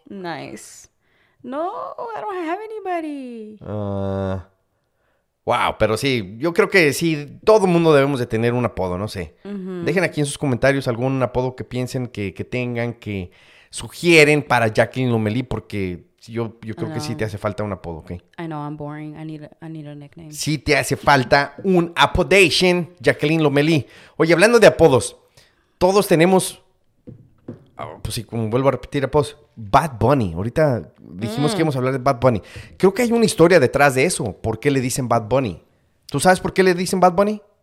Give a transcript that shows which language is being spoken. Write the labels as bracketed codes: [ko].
[en] Nice. No, I don't have anybody. [es] Wow, pero sí, yo creo que sí, todo mundo debemos de tener un apodo, no sé. Uh-huh. Dejen aquí en sus comentarios algún apodo que piensen que tengan, que sugieren para Jacqueline Lomelí, porque yo creo que sí te hace falta un apodo, ¿ok? [en] I know, I'm boring, I need a nickname. [es] Sí te hace falta un apodation, Jacqueline Lomelí. Oye, hablando de apodos, todos tenemos, pues sí, como vuelvo a repetir apodos, Bad Bunny. Ahorita dijimos que íbamos a hablar de Bad Bunny. Creo que hay una historia detrás de eso. ¿Por qué le dicen Bad Bunny? ¿Tú sabes por qué le dicen Bad Bunny?